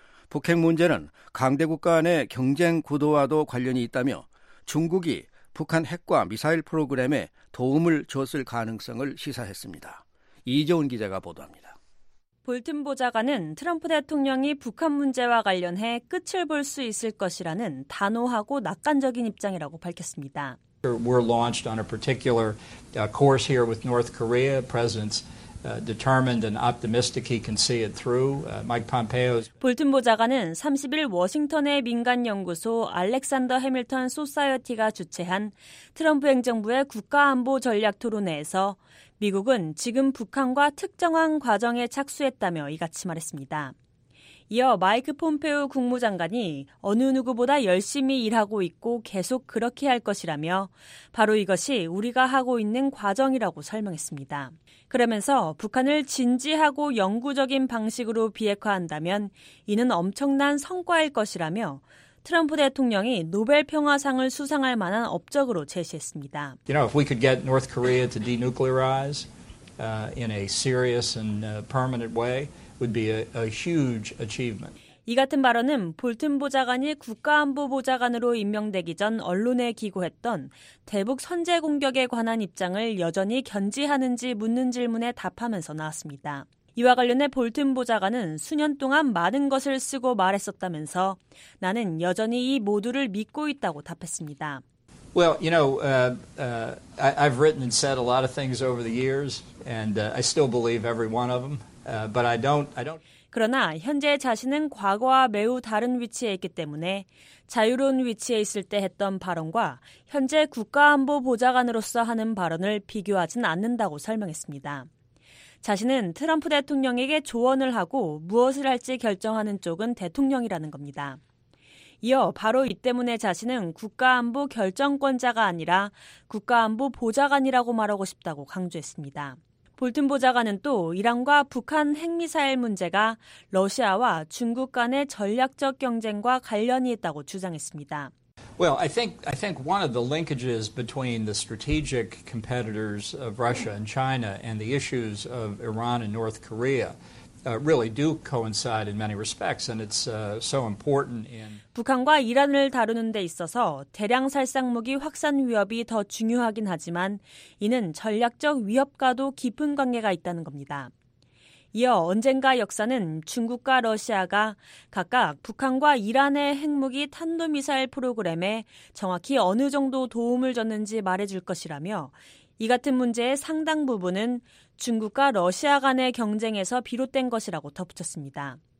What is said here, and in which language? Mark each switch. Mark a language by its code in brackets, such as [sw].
[ko] 북핵 문제는 강대국 간의 경쟁 구도와도 관련이 있다며 중국이 북한 핵과 미사일 프로그램에 도움을 줬을 가능성을 시사했습니다. 이재훈 기자가 보도합니다. 볼튼 보좌관은 트럼프 대통령이 북한 문제와 관련해 끝을 볼 수 있을 것이라는 단호하고 낙관적인 입장이라고 밝혔습니다. [en] We're launched on a particular course here with North Korea. President's determined and optimistic he can see it through. Mike Pompeo's [ko] 볼튼 보좌관은 30일 워싱턴의 민간 연구소 알렉산더 해밀턴 소사이어티가 주최한 트럼프 행정부의 국가 안보 전략 토론회에서 미국은 지금 북한과 특정한 과정에 착수했다며 이같이 말했습니다. 이어 마이크 폼페오 국무장관이 어느 누구보다 열심히 일하고 있고 계속 그렇게 할 것이라며 바로 이것이 우리가 하고 있는 과정이라고 설명했습니다. 그러면서 북한을 진지하고 영구적인 방식으로 비핵화한다면 이는 엄청난 성과일 것이라며 트럼프 대통령이 노벨 평화상을 수상할 만한 업적으로 제시했습니다. [en] You know, if we could get North Korea to denuclearize in a serious and permanent way, would be a huge achievement. [ko] 이 같은 발언은 볼튼 보좌관이 국가안보보좌관으로 임명되기 전 언론에 기고했던 대북 선제 공격에 관한 입장을 여전히 견지하는지 묻는 질문에 답하면서 나왔습니다. 이와 관련해 볼튼 보좌관은 수년 동안 많은 것을 쓰고 말했었다면서 나는 여전히 이 모두를 믿고 있다고 답했습니다. [en] Well, you know, I've written and said a lot of things over the years and I still believe every one of them. But I don't [ko] 그러나 현재 자신은 과거와 매우 다른 위치에 있기 때문에 자유로운 위치에 있을 때 했던 발언과 현재 국가안보보좌관으로서 하는 발언을 비교하진 않는다고 설명했습니다. 자신은 트럼프 대통령에게 조언을 하고 무엇을 할지 결정하는 쪽은 대통령이라는 겁니다. 이어 바로 이 때문에 자신은 국가안보 결정권자가 아니라 국가안보보좌관이라고 말하고 싶다고 강조했습니다. 볼튼 보좌관은 또 이란과 북한 핵미사일 문제가 러시아와 중국 간의 전략적 경쟁과 관련이 있다고 주장했습니다. [en] Well, I think one of the linkages between the strategic competitors of Russia and China and the issues of Iran and North Korea really do coincide in many respects and it's so important in [ko] 북한과 이란을 다루는 데 있어서 대량 살상무기 확산 위협이 더 중요하긴 하지만 이는 전략적 위협과도 깊은 관계가 있다는 겁니다. 이어 언젠가 역사는 중국과 러시아가 각각 북한과 이란의 핵무기 탄도미사일 프로그램에 정확히 어느 정도 도움을 줬는지 말해줄 것이라며 이 같은 문제의 상당 부분은 중국과 러시아 간의 경쟁에서 비롯된 것이라고 덧붙였습니다.